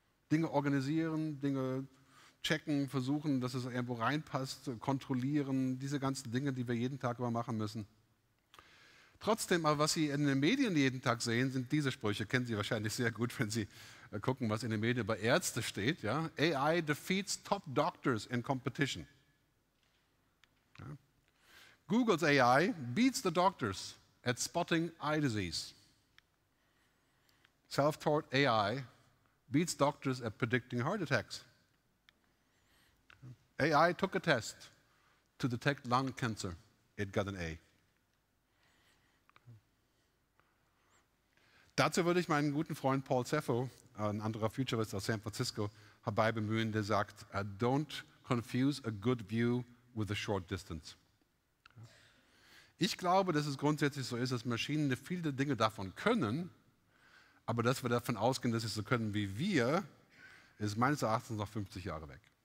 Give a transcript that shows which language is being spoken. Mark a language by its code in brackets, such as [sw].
[de] Dinge organisieren, Dinge checken, versuchen, dass es irgendwo reinpasst, kontrollieren, diese ganzen Dinge, die wir jeden Tag immer machen müssen. Trotzdem, aber was Sie in den Medien jeden Tag sehen, sind diese Sprüche, kennen Sie wahrscheinlich sehr gut, wenn Sie gucken, was in den Medien über Ärzte steht. Ja? [en] AI defeats top doctors in competition. Ja? Google's AI beats the doctors at spotting eye disease. Self-taught AI beats doctors at predicting heart attacks. AI took a test to detect lung cancer. It got an A. [de] Dazu würde ich meinen guten Freund Paul Cepho, ein anderer Futurist aus San Francisco, herbei bemühen, der sagt, don't confuse a good view with a short distance. Ich glaube, dass es grundsätzlich so ist, dass Maschinen viele Dinge davon können, aber dass wir davon ausgehen, dass sie so können wie wir, ist meines Erachtens noch 50 Jahre weg.